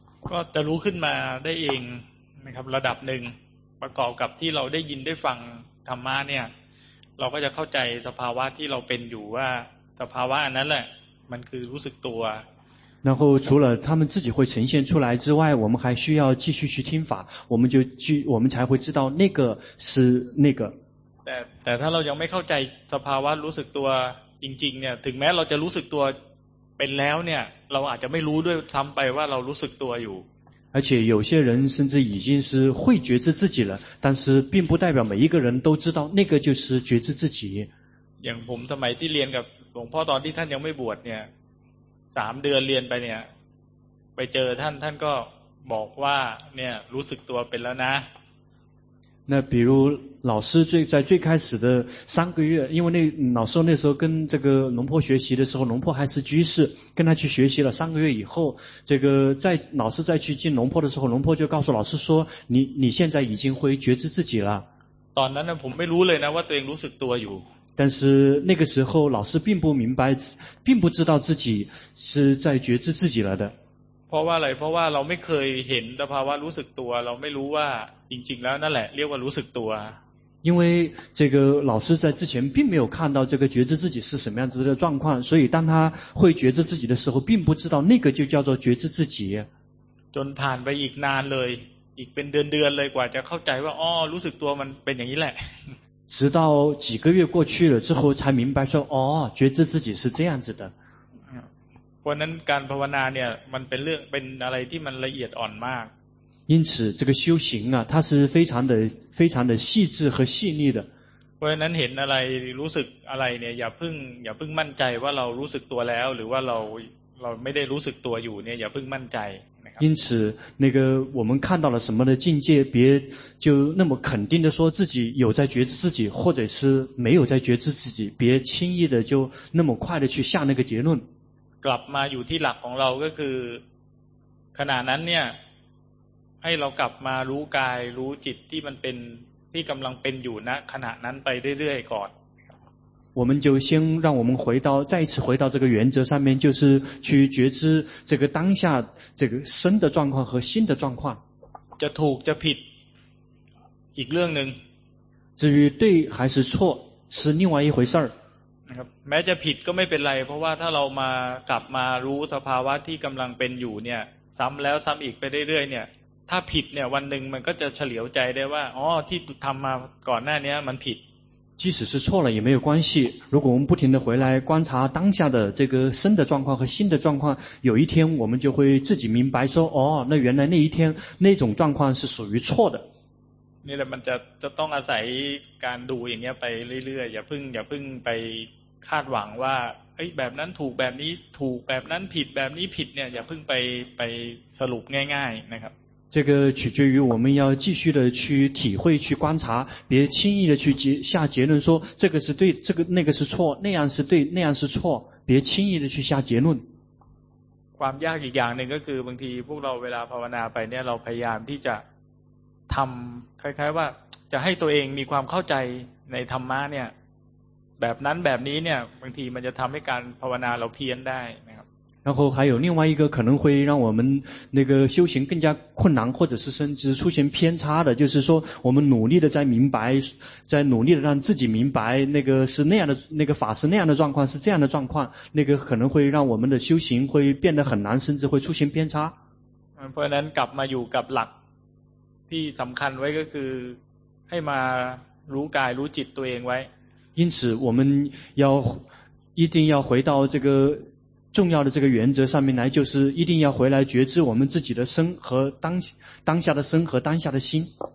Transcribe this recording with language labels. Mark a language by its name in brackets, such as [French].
[Thai] ก็จะรู้ขึ้นมาได้เองนะครับระดับหนึ่งประกอบกับที่เราได้ยินได้ฟังธรรมะเนี่ยเราก็จะเข้าใจสภาวะที่เราเป็นอยู่ว่าสภาวะนั้นแหละมันคือรู้สึกตัว [Chinese] 然后除了他们自己会呈现出来之外，我们还需要继续去听法，我们才会知道那个是那个。 [Thai] แต่ถ้าเรายังไม่เข้าใจสภาวะรู้สึกตัวจริงๆเนี่ยถึงแม้เราจะรู้สึกตัวเป็นแล้วเนี่ยเราอาจจะไม่รู้ด้วยซ้ำไปว่าเรารู้สึกตัวอยู่ [Chinese] 而且有些人甚至已经是会觉知自己了但是并不代表每一个人都知道那个就是觉知自己 [Thai] อย่างผมสมัยที่เรียนกับหลวงพ่อตอนที่ท่านยังไม่บวชเนี่ย3เดือนเรียนไปเนี่ยไปเจอท่านก็บอกว่าเนี่ยรู้สึกตัวเป็นแล้วนะ [Chinese] 那比如老师在最开始的三个月，因为那老师那时候跟这个龙婆学习的时候，龙婆还是居士，跟他去学习了三个月以后，这个在老师再去见龙婆的时候，龙婆就告诉老师说：“你现在已经会觉知自己了。” 当然了，我没 [Thai] รู้เลยนะว่าตัวเองรู้สึกตัวอยู่。 [Chinese] 但是那个时候老师并不明白，并不知道自己是在觉知自己了的。 [Thai] เพราะว่าอะไรเพราะว่าเราไม่เคยเห็นสภาวะรู้สึกตัวเราไม่รู้ว่าจริงๆแล้วนั่นแหละเรียกว่ารู้สึกตัว [Chinese] 因为这个老师在之前并没有看到这个觉知自己是什么样子的状况所以当他会觉知自己的时候并不知道那个就叫做觉知自己 [Thai] จนผ่านไปอีกนานเลยอีกเป็นเดือนๆเลยกว่าจะเข้าใจว่าอ๋อรู้สึกตัวมันเป็นอย่างนี้แหละ [Chinese] 直到几个月过去了之后才明白说哦觉知自己是这样子的 [Thai] เพราะนั้นการภาวนาเนี่ยมันเป็นเรื่องเป็นอะไรที่มันละเอียดอ่อนมาก [Chinese] 因此这个修行啊它是非常的细致和细腻的 [Thai] เพราะนั้นเห็นอะไรรู้สึกอะไรเนี่ยอย่าเพิ่งมั่นใจว่าเรารู้สึกตัวแล้วหรือว่าเราไม่ได้รู้สึกตัวอยู่เนี่ยอย่าเพิ่งมั่นใจ [Chinese] 因此那个我们看到了什么的境界别就那么肯定的说自己有在觉知自己或者是没有在觉知自己别轻易的就那么快的去下那个结论 [Thai] กลับมาอยู่ที่หลักของเราก็คือขณะนั้นเนี่ย ให้เรากลับมารู้กายรู้จิตที่มันเป็นที่กำลังเป็นอยู่นะขณะนั้นไปเรื่อยๆก่อน [Chinese] 我们就先让我们回到再一次回到这个原则上面，就是去觉知这个当下这个身的状况和心的状况。 [Thai] จะถูกจะผิดอีกเรื่องหนึ่ง [Chinese] 至于对还是错是另外一回事儿。 [Thai] แม้จะผิดก็ไม่เป็นไรเพราะว่าถ้าเรามากลับมารู้สภาวะที่กำลังเป็นอยู่เนี่ยซ้ำแล้วซ้ำอีกไปเรื่อยๆเนี่ยถ้าผิดเนี่ยวันหนึ่งมันก็จะเฉลียวใจได้ว่าอ๋อที่ทำมาก่อนหน้านี้มันผิด [Chinese] 即使是错了也没有关系如果我们不停地回来观察当下的这个身的状况和心的状况有一天我们就会自己明白说哦那原来那一天那种状况是属于错的 [Thai] นี่แหละมันจะต้องอาศัยการดูอย่างเงี้ยไปเรื่อยๆอย่าเพิ่งไปคาดหวังว่าเอ้ยแบบนั้นถูกแบบนี้ถูกแบบนั้นผิดแบบนี้ผิดเนี่ยอย่าเพิ่งไปสรุปง่ายๆนะครับ [Chinese] 这个取决于我们要继续的去体会去观察别轻易的去下结论说这个是对这个那个是错那样是对那样是错别轻易的去下结论 [Thai] ความยากอีกอย่างนึงก็คือบางทีพวกเราเวลาภาวนาไปเนี่ยเราพยายามที่จะทำคล้ายๆว่าจะให้ตัวเองมีความเข้าใจในธรรมะเนี่ยแบบนั้นแบบนี้เนี่ยบางทีมันจะทำให้การภาวนาเราเพี้ยนได้นะครับ [Chinese] 然后还有另外一个可能会让我们那个修行更加困难或者是甚至出现偏差的就是说我们努力的在明白在努力的让自己明白那个是那样的那个法是那样的状况是这样的状况那个可能会让我们的修行会变得很难甚至会出现偏差 [Thai] เพราะฉะนั้นกลับมาอยู่กับหลักที่สำคัญไว้ก็คือให้มารู้กายรู้จิตตัวเองไว้ [Chinese] 因此我们要一定要回到这个重要的这个原则上面来就是一定要回来觉知我们自己的身和 当下的身和当下的心